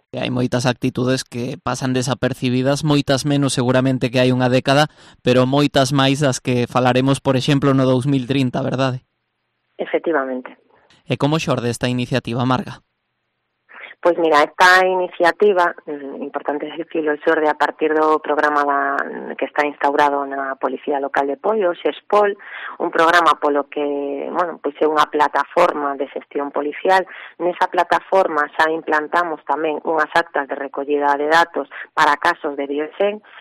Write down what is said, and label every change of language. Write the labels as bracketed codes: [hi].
[gl] Hai moitas actitudes que pasan desapercibidas, moitas menos seguramente que hai unha década, pero moitas máis das que falaremos, por exemplo, no 2030, verdade? Efectivamente. [es] ¿Y cómo [gl] xorde [es] esta iniciativa, Marga? Pues mira, esta iniciativa, importante decirlo, [gl] xorde a partir do programa que está instaurado na Policía Local de Poio, XESPOL, un programa polo que, bueno, pois é unha plataforma de xestión policial. Nesa plataforma xa implantamos tamén unhas actas de recollida de datos para casos de violencia.